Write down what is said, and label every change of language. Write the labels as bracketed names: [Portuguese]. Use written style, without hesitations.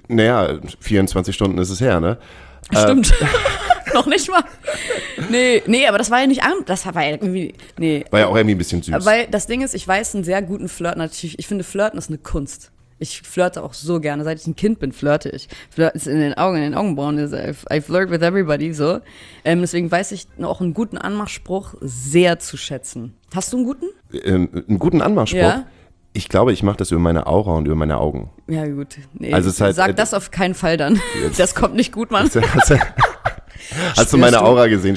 [German] Naja, 24 Stunden ist es her, ne? Stimmt. noch nicht mal. Nee, aber das war ja nicht an. Das war ja irgendwie. Nee. War ja auch irgendwie ein bisschen süß. Weil das Ding ist, ich weiß einen sehr guten Flirt. Natürlich, ich finde, Flirten ist eine Kunst. Ich flirte auch so gerne. Seit ich ein Kind bin, flirte ich. Flirten ist in den Augenbrauen. [English] I flirt with everybody, so. [German] Deswegen weiß ich auch einen guten Anmachspruch sehr zu schätzen. Hast du einen guten? Einen guten Anmachspruch? Ja. Ich glaube, ich mache das über meine Aura und über meine Augen. Ja, gut. Nee, also es halt, sag das auf keinen Fall dann. Jetzt. Das kommt nicht gut, Mann. Hast du meine Aura gesehen?